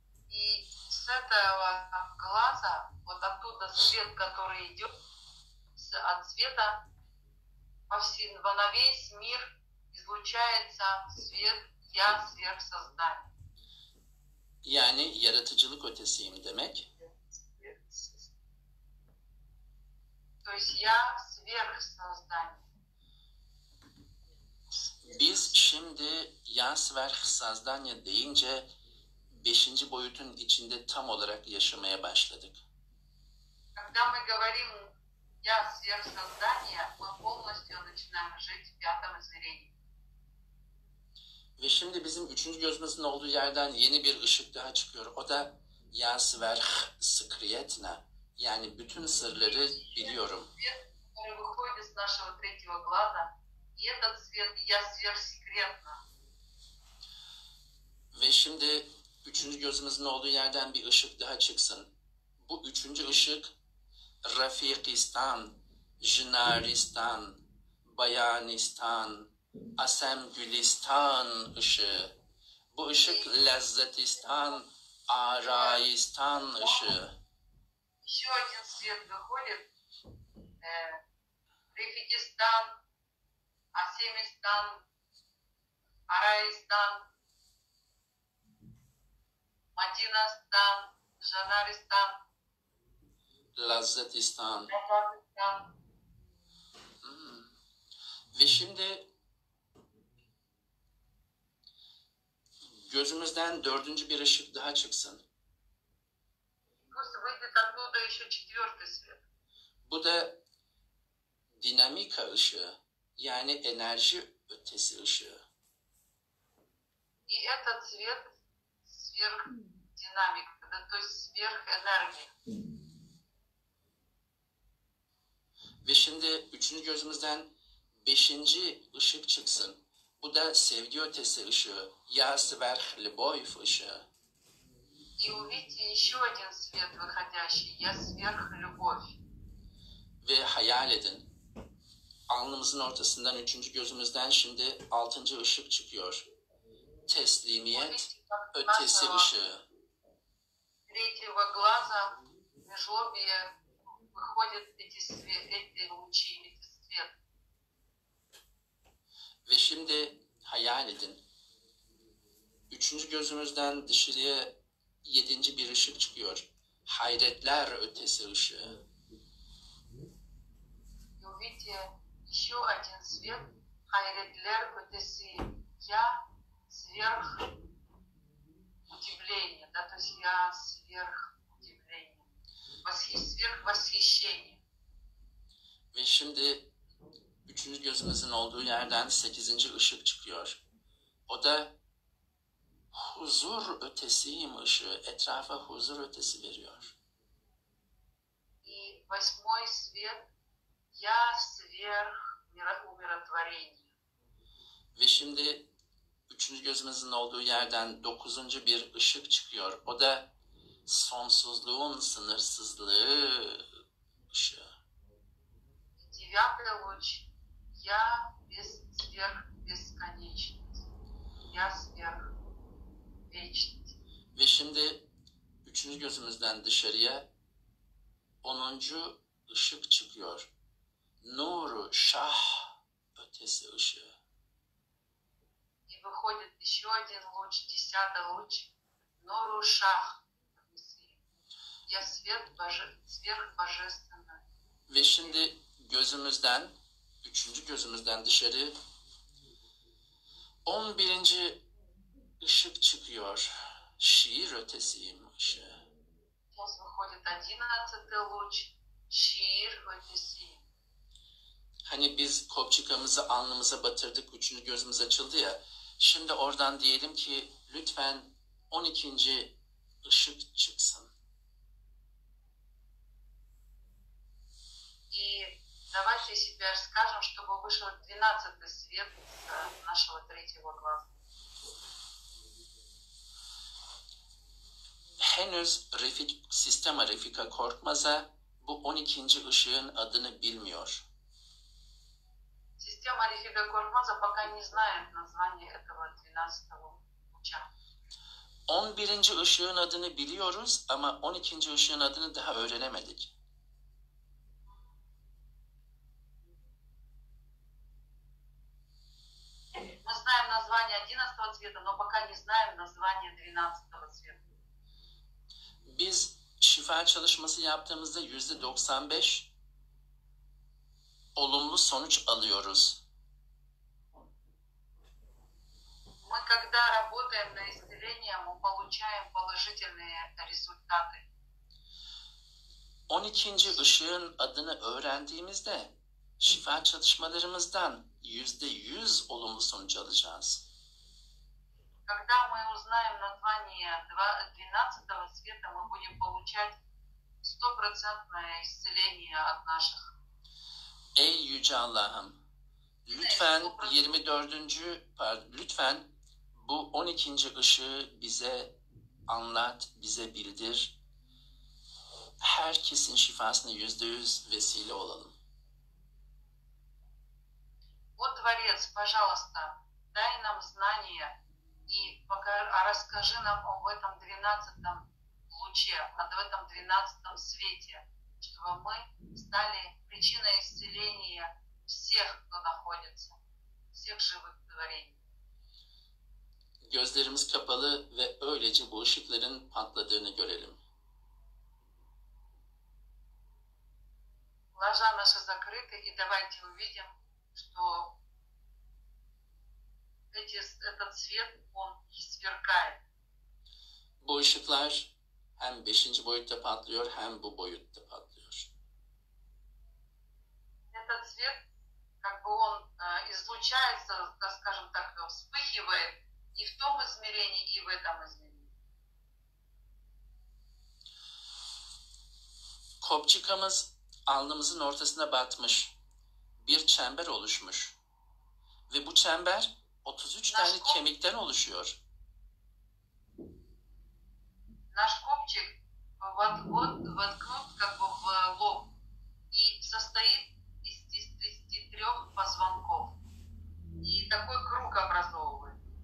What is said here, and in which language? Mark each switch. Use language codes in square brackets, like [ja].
[ru] И с этого глаза вот оттуда свет, который идет от света по всем во на весь мир излучается свет яс сверх создания. [tr] Yani yaratıcılık ötesiyim demek. [ru] То есть я сверхсоздание. [tr] Biz şimdi [ru] ya sverhsazdanya [tr] deyince 5. boyutun içinde tam olarak yaşamaya başladık. [ru] Когда мы говорим я сверхсоздание, мы полностью начинаем жить в пятом зрении. [tr] Ve şimdi bizim 3. gözümüzün olduğu yerden yeni bir ışık daha çıkıyor. O da [ru] ya sverh sekretna. [tr] Yani bütün sırları biliyorum. [ru] Свет выходит из нашего третьего глаза, и этот свет я сверхсекретно. [tr] Ve şimdi 3. gözümüzün olduğu yerden bir ışık daha çıksın. Bu 3. ışık Rafikistan, Jinaristan, Bayanistan, Asemgülistan ışığı. Bu ışık Lezzetistan, Araistan ışığı. [ru] Еще один свет выходит. Рификистан, Асемистан, Араистан, Мадинастан, Жанаристан, Лазетистан. [tr] Ve şimdi gözümüzden 4. bir ışık daha çıksın. [ru] Пусть выйдет оттуда еще 4-й свет. [tr] Bu da dinamika ışığı, yani enerji ötesi ışığı. [ru] И этот свет сверхдинамик, да, то есть сверхэнергия. [tr] Ve şimdi üçüncü gözümüzden beşinci ışık çıksın. Bu da sevgi ötesi ışığı. [ru] Ya сверх любовь [tr] ışığı. [ru] И увидите еще один свет выходящий. Я сверх любовь. [tr] Ve hayal edin. Alnımızın ortasından üçüncü gözümüzden şimdi altıncı ışık çıkıyor. Teslimiyet ötesi ışığı. [ru] Третьего глаза межлобья выходят эти светлые лучи, эти свет. [tr] Ve şimdi hayal edin. Üçüncü gözümüzden dışarıya yedinci bir ışık çıkıyor. Hayretler ötesi ışığı. [ru] Увидите еще один свет, [tr] хайретлер ötesi. [ru] Я сверх удивление, да, то есть я сверх удивление. Сверх восхищение. [tr] Ve şimdi üçüncü gözümüzün olduğu yerden sekizinci ışık çıkıyor. O da huzur ötesiyim ışığı, etrafa huzur ötesi veriyor. [ru] И восьмой свет, я сверх умиротворение. [tr] Ve şimdi üçüncü gözümüzün olduğu yerden dokuzuncu bir ışık çıkıyor. O da sonsuzluğun sınırsızlığı ışığı. [ru] Девятый луч, я без сверх бесконечность, я сверх. [tr] Ve şimdi üçüncü gözümüzden dışarıya onuncu ışık çıkıyor. Nuru Şah ötesi ışığı. [ru] И выходит еще один луч, десятый луч. [tr] Nuru Şah ötesi. [ru] Я свет сверхбожественный. [tr] Ve şimdi gözümüzden, üçüncü gözümüzden dışarı 11. Işık çıkıyor. Şiir ötesiyim ışığı. [ru] Сейчас выходит одиннадцатый луч. [tr] Şiir ötesiyim. Hani biz kopçıkamızı alnımıza batırdık, üçüncü gözümüz açıldı ya. Şimdi oradan diyelim ki lütfen 12. ışık çıksın. [ru] И давайте себе скажем, чтобы вышел 12-й свет нашего третьего глаза. [tr] Henüz Refik, sistema Refika Korkmaz'a bu 12. ışığın adını bilmiyor. [ru] Sistema Refika Korkmaz'a пока не знает название этого 12-го луча. [tr] 11. ışığın adını biliyoruz ama 12. ışığın adını daha öğrenemedik. [ru] Мы знаем название 11-го цвета, но пока не знаем название 12-го цвета. [tr] Biz şifa çalışması yaptığımızda %95 olumlu sonuç alıyoruz. [ru] Мы когда работаем на исцеление, мы получаем положительные результаты. [tr] 12. ışığın adını öğrendiğimizde şifa çalışmalarımızdan %100 olumlu sonuç alacağız. [ru] Когда мы узнаем название 12-го света, мы будем получать 100% исцеление от наших. [tr] Ey Yüce Allah'ım, lütfen 24. pardon, lütfen bu 12. ışığı bize anlat, bize bildir. Herkesin şifasına %100 vesile olalım. [ru] О Творец, пожалуйста, дай нам знание. И пока расскажи нам об этом 12-м луче, об этом 12-м свете, чтобы мы стали причиной исцеления всех, кто находится, всех живых творений. [tr] Gözlerimiz kapalı ve öylece bu ışıkların patladığını görelim. [ru] Глаза наши закрыты, и давайте увидим, что этот свет сверкает. [tr] Bu ışıklar hem 5. boyutta patlıyor hem bu boyutta patlıyor. [ru] свет, как бы он излучается, да, скажем так, вспыхивает и в том измерении, и в этом измерении. [tr] Kopçikamız alnımızın ortasına batmış. Bir çember oluşmuş. Ve bu çember 33 tane kemikten oluşuyor. [ru] Наш копчик воткнут как бы в лоб и состоит из 33 позвонков. И такой круг образовывает.